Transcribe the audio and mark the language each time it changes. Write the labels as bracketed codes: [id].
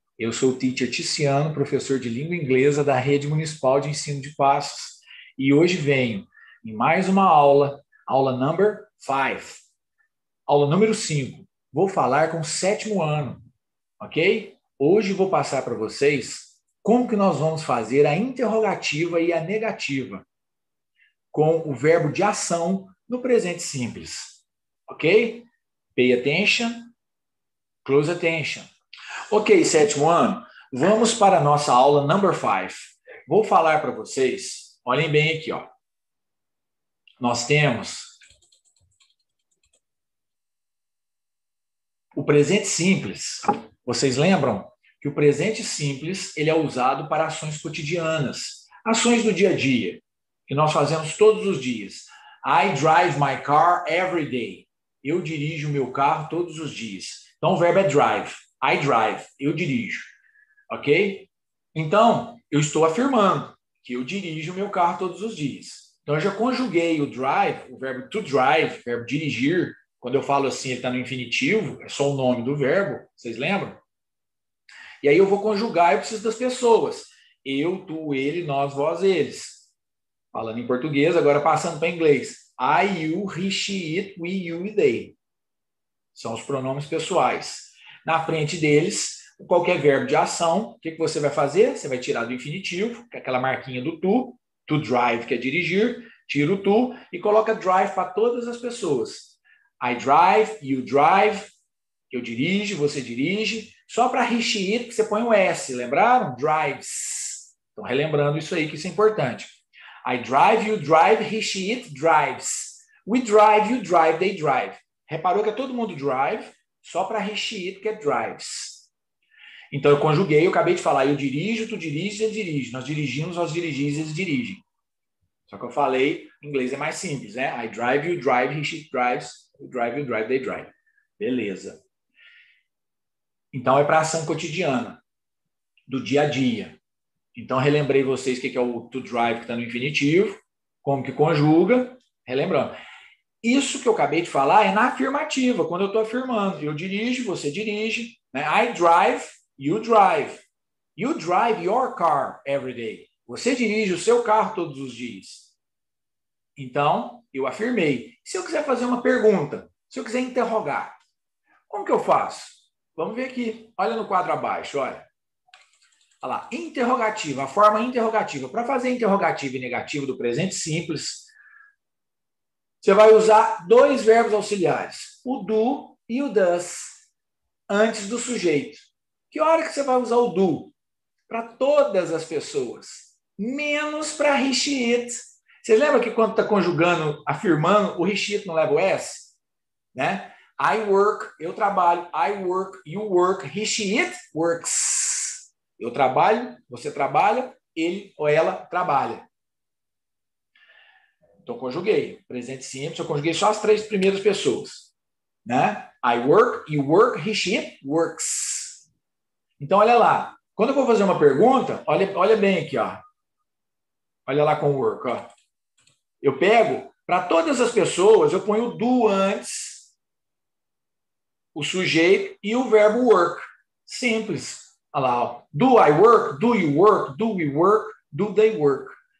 [pt] Eu sou o teacher Ticiano, professor de língua inglesa da Rede Municipal de Ensino de Passos, e hoje venho em mais uma aula, aula number 5. Aula número 5. Vou falar com o sétimo ano, ok? Hoje vou passar para vocês como que nós vamos fazer a interrogativa e a negativa com o verbo de ação no presente simples, ok? [en] Pay attention, close attention. [pt] Ok, sétimo ano, vamos para a nossa aula number 5. Vou falar para vocês, olhem bem aqui, ó. Nós temos o presente simples. Vocês lembram que o presente simples ele é usado para ações cotidianas, ações do dia a dia, que nós fazemos todos os dias. [en] I drive my car every day. [pt] Eu dirijo o meu carro todos os dias. Então, o verbo é drive. I drive, eu dirijo, ok? Então, eu estou afirmando que eu dirijo o meu carro todos os dias. Então, eu já conjuguei o drive, o verbo to drive, verbo dirigir. Quando eu falo assim, ele está no infinitivo, é só o nome do verbo, vocês lembram? E aí eu vou conjugar, eu preciso das pessoas. Eu, tu, ele, nós, vós, eles. Falando em português, agora passando para inglês. [en] I, you, he, she, it, we, you, e they. [pt] São os pronomes pessoais. Na frente deles, qualquer verbo de ação, o que você vai fazer? Você vai tirar do infinitivo, que é aquela marquinha do to drive, que é dirigir, tira o to e coloca drive para todas as pessoas. [en] I drive, you drive, [pt] eu dirijo, você dirige. Só para reiterar que você põe o S, lembraram? Drives. Então, relembrando isso aí, que isso é importante. [en] I drive, you drive, he, she, it drives. We drive, you drive, they drive. [pt] Reparou que é todo mundo drive? Só para reiterar que é drives. Então, eu conjuguei, eu acabei de falar, eu dirijo, tu dirige, ele dirige. Nós dirigimos, nós dirigimos, eles dirigem. Só que eu falei, em inglês é mais simples, né? [en] I drive, you drive, he, she, drives. We drive, you drive, they drive. [pt] Beleza. Então, é para ação cotidiana, do dia a dia. Então, relembrei vocês o que é o to drive, que está no infinitivo, como que conjuga, relembrando. Isso que eu acabei de falar é na afirmativa, quando eu estou afirmando. Eu dirijo, você dirige, né? [en] I drive, you drive. You drive your car every day. [pt] Você dirige o seu carro todos os dias. Então, eu afirmei. Se eu quiser fazer uma pergunta, se eu quiser interrogar, como que eu faço? Vamos ver aqui. Olha no quadro abaixo, olha. Olha lá. Interrogativa, a forma interrogativa. Para fazer interrogativa e negativa do presente simples, você vai usar dois verbos auxiliares, o do e o does, antes do sujeito. Que hora que você vai usar o do? Para todas as pessoas, menos para he, she, it. Você lembra que quando está conjugando, afirmando, o he, she, it não leva o S? Né? [en] I work, [pt] eu trabalho. [en] I work, you work, he, she, it works. [pt] Eu trabalho, você trabalha, ele ou ela trabalha. Então, conjuguei. Presente simples, eu conjuguei só as três primeiras pessoas. Né? [en] I work, you work, he, she, it works. [pt] Então, olha lá. Quando eu vou fazer uma pergunta, olha bem aqui, ó. Olha lá com o work, ó. Eu pego, para todas as pessoas, eu ponho do antes, o sujeito e o verbo work. Simples. Olha lá, ó. [en] Do I work? Do you work? Do we work? Do they work?